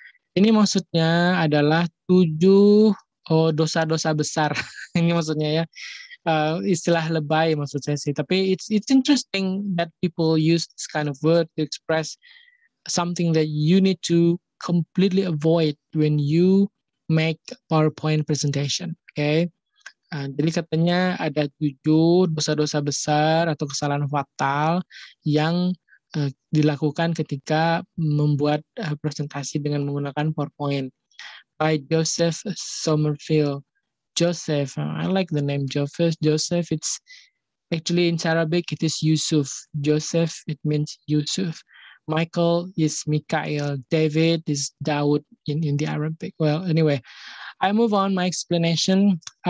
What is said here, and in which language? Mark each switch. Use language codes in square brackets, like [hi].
[id] Ini maksudnya adalah 7 dosa-dosa besar. Ini maksudnya ya. Istilah lebay maksud saya sih. Tapi [en] it's interesting that people use this kind of word to express something that you need to completely avoid when you make PowerPoint presentation. Okay? [id] Jadi katanya ada 7 dosa-dosa besar atau kesalahan fatal yang dilakukan ketika membuat presentasi dengan menggunakan PowerPoint by Joseph Somerville. [en] Joseph, I like the name Joseph. Joseph, it's actually in Arabic it is Yusuf. Joseph, it means Yusuf. Michael is Mikael. David is Daud in the Arabic. Well, anyway, I move on my explanation.